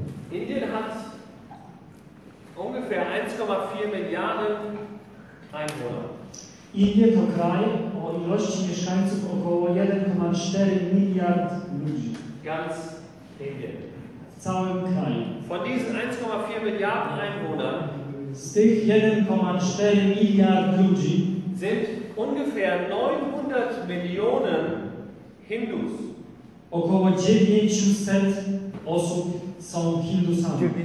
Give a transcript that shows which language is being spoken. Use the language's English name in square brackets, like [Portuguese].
[German] Indien hat ungefähr 1,4 Milliarden Einwohner. [Polish] Indien to kraj o ilości mieszkańców około 1,4 Milliard ludzi. [German] Ganz Indien. [Polish] W całym kraju. [German] Von diesen 1,4 Milliarden Einwohnern [Polish] z tych 1,4 Milliard ludzi [German] sind ungefähr 900 Millionen Hindus. [Polish] Około 900 osób są Hindusami.